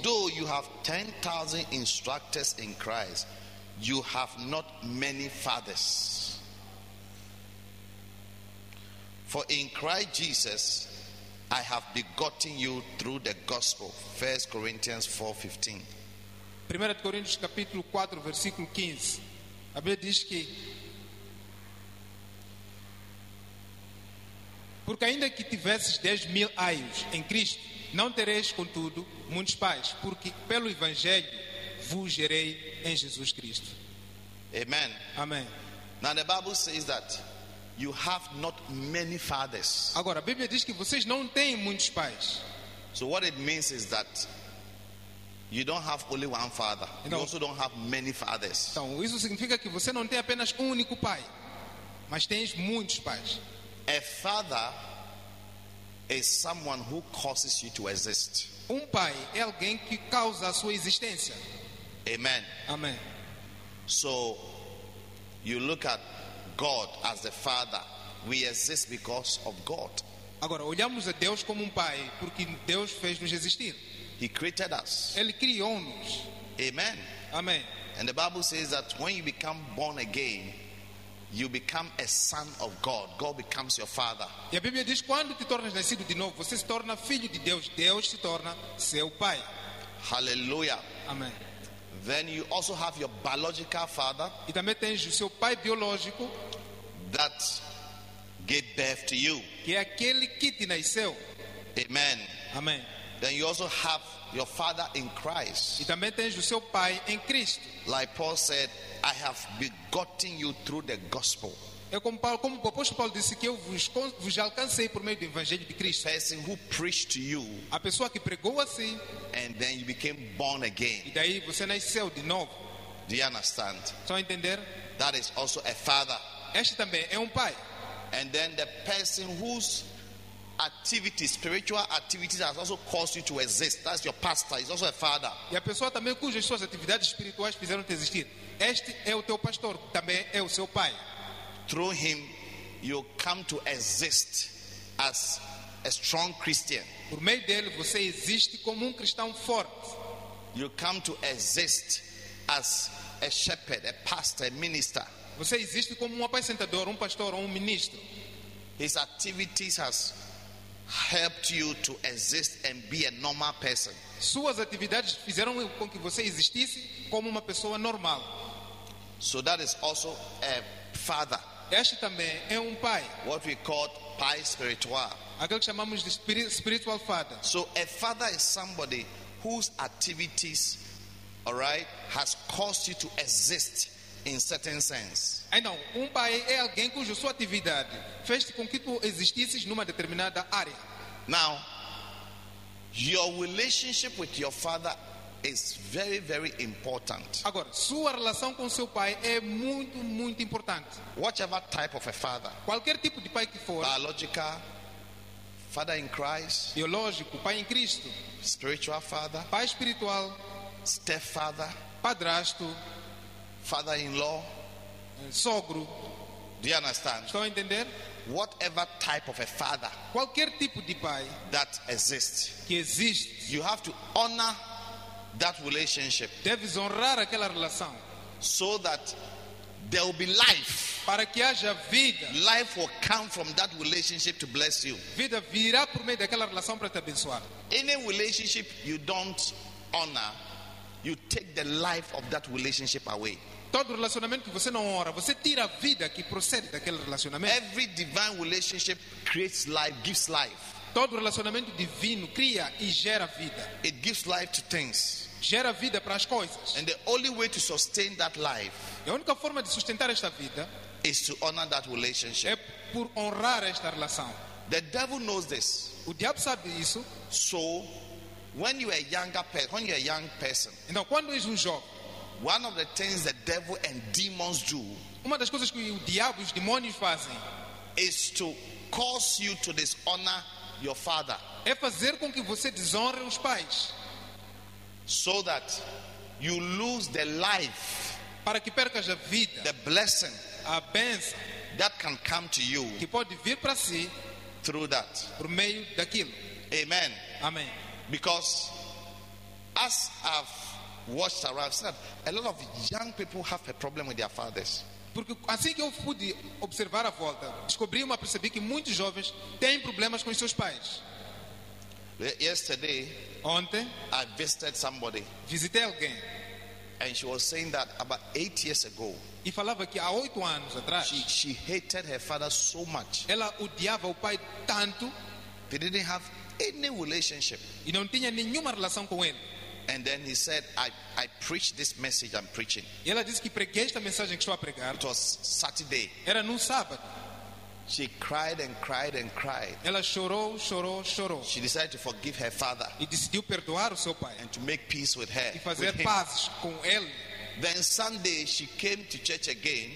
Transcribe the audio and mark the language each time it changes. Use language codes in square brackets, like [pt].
[en] though you have 10,000 instructors in Christ, you have not many fathers. For in Christ Jesus, I have begotten you through the gospel. 1 Corinthians 4:15. [pt] 1 Coríntios capítulo 4, versículo 15. A Bíblia diz que porque ainda que tivesses 10 mil aios em Cristo, não tereis, contudo, muitos pais, porque pelo Evangelho vos gerei em Jesus Cristo. [en] Amen. [pt] Amém. [en] Now the Bible says that you have not many fathers. [pt] Agora, a Bíblia diz que vocês não têm muitos pais. [en] So what it means is that you don't have only one father. [pt] Então, [en] you also don't have many fathers. [pt] Então, isso significa que você não tem apenas um único pai, mas tens muitos pais. [en] A father is someone who causes you to exist. [pt] Um pai é alguém que causa a sua existência. [en] Amen. [pt] Amém. [en] So you look at God as the father. We exist because of God. [pt] Agora, olhamos a Deus como um pai, porque Deus fez-nos existir. [en] He created us. [pt] Ele criou-nos. [en] Amen. [pt] Amém. [en] And the Bible says that when you become born again, you become a son of God. God becomes your father. [pt] E a Bíblia diz quando te tornas nascido de novo, você se torna filho de Deus. Deus se torna seu pai. [en] Hallelujah. [pt] Amém. [en] Then you also have your biological father. [pt] E também tens o seu pai biológico. [en] That gave birth to you. [pt] Que é aquele que te nasceu. [en] Amen. [pt] Amém. [en] Then you also have your father in Christ. [pt] E também tens o seu pai em Cristo. [en] Like Paul said, I have begotten you through the gospel. [pt] É como Paulo, como o apóstolo Paulo disse que eu vos alcancei por meio do evangelho de Cristo. [en] The person who preached to you. [pt] A pessoa que pregou a si. [en] And then you became born again. [pt] E daí você nasceu de novo. [en] Do you understand? [pt] Só entender? [en] That is also a father. [pt] Este também é um pai. [en] And then the person whose activities, spiritual activities, has also caused you to exist. That's your pastor. He's also a father. [pt] E a pessoa também cujas suas atividades espirituais fizeram-te existir. Este é o teu pastor, também é o seu pai. [en] Through him, you come to exist as a strong Christian. [pt] Por meio dele, você existe como cristão forte. [en] You come to exist as a shepherd, a pastor, a minister. [pt] Você existe como apacentador, pastor ou ministro. [en] His activities has helped you to exist and be a normal person. [pt] Suas atividades fizeram com que você existisse como uma pessoa normal. [en] So that is also a father. [pt] Este também é pai. [en] What we call pai spiritual. [pt] Aquele que chamamos de [en] spiritual father. So a father is somebody whose activities, all right, has caused you to exist in certain sense. I know. [pt] Pai é alguém cuja sua atividade fez com que tu existisses numa determinada área. [en] Now, your relationship with your father is very, very important. [pt] Agora, sua relação com seu pai é muito, muito importante. [en] Whatever type of a father. [pt] Qualquer tipo de pai que for. [en] Biological father in Christ. [pt] Biológico, pai em Cristo. [en] Spiritual father. [pt] Pai espiritual. [en] Stepfather. [pt] Padrasto. [en] Father-in-law, [pt] sogro, [en] Do you understand? [pt] Estão a entender? [en] Whatever type of a father, [pt] qualquer tipo de pai, [en] that exists, [pt] que existe, [en] you have to honor that relationship. [pt] Deves honrar aquela relação. [en] So that there will be life. [pt] Para que haja vida. [en] Life will come from that relationship to bless you. [pt] Vida virá por meio daquela relação para te abençoar. [en] Any relationship you don't honor, you take the life of that relationship away. [pt] Todo relacionamento que você não honra, você tira a vida que procede daquele relacionamento. [en] Every divine relationship creates life, gives life. [pt] Todo relacionamento divino cria e gera vida. [en] It gives life to things. [pt] Gera vida para as coisas. [en] And the only way to sustain that life, [pt] e a única forma de sustentar esta vida, [en] is to honor that relationship. [pt] É por honrar esta relação. [en] The devil knows this. [pt] O diabo sabe isso. [en] So, when you are a younger person, when you are a young person, [pt] então quando és jovem, [en] one of the things the devil and demons do, [pt] uma das coisas que o diabo e os demônios fazem, [en] is to cause you to dishonor your father. [pt] É fazer com que você desonre os pais. [en] So that you lose the life, [pt] para que percas a vida, [en] the blessing, [pt] a bênção, [en] that can come to you, [pt] que pode vir para si, [en] through that, [pt] por meio daquilo. [en] Amen. [pt] Amém. [en] Because as I've watched around, a lot of young people have a problem with their fathers. [pt] Porque assim que eu pude observar a volta, descobri uma percebi que muitos jovens têm problemas com os seus pais. [en] Yesterday, [pt] ontem, [en] I visited somebody. [pt] Visitei alguém. [en] And she was saying that about 8 years ago. [pt] E falava que há 8 anos atrás. [en] She hated her father so much. [pt] Ela odiava o pai tanto. [en] They didn't have any relationship. [pt] E não tinha nenhuma relação com ele. [en] And then he said, I preach this message I'm preaching. [pt] E ela disse que preguei esta mensagem que estou a pregar. [en] It was Saturday. [pt] Era no sábado. [en] She cried and cried and cried. [pt] Ela chorou, chorou, chorou. [en] She decided to forgive her father. [pt] E decidiu perdoar o seu pai. [en] And to make peace with her. [pt] E fazer paz com ele. [en] Then Sunday she came to church again.